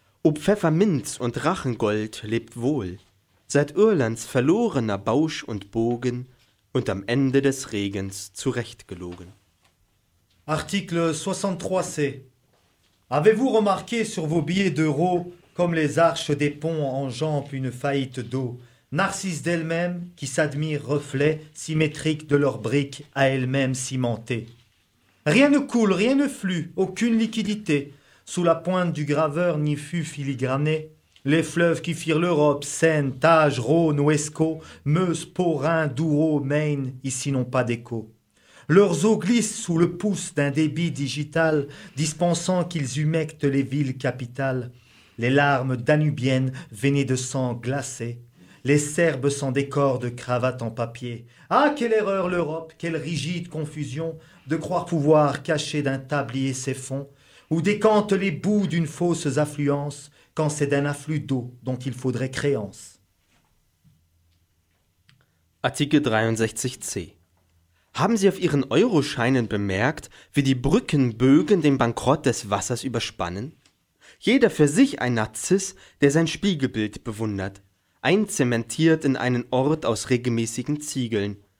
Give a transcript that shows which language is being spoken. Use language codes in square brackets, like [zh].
[de] Ob Pfefferminz und Rachengold lebt wohl, seit Irlands verlorener Bausch und Bogen und am Ende des Regens zurechtgelogen. [fr] Article 63c. Avez-vous remarqué sur vos billets d'euros, comme les arches des ponts enjambent une faillite d'eau, Narcisse d'elle-même qui s'admire reflet symétrique de leurs briques à elle-même cimentée. Rien ne coule, rien ne flue, aucune liquidité. Sous la pointe du graveur n'y fut filigrané. Les fleuves qui firent l'Europe, Seine, Tage, Rhône, Ouesco, Meuse, Pau, Rhin, Douro, Maine, ici n'ont pas d'écho. Leurs eaux glissent sous le pouce d'un débit digital, dispensant qu'ils humectent les villes capitales. Les larmes danubiennes veinées de sang glacé. Les Serbes sans décor de cravate en papier. Ah, quelle erreur l'Europe, quelle rigide confusion de croire pouvoir cacher d'un tablier ses fonds, où décantent les bouts d'une fausse affluence, quand c'est d'un afflux d'eau dont il faudrait créance. [de] Artikel 63c. Haben Sie auf Ihren Euroscheinen bemerkt, wie die Brückenbögen den Bankrott des Wassers überspannen? Jeder für sich ein Narziss, der sein Spiegelbild bewundert. Einzementiert in einen Ort aus regelmäßigen Ziegeln.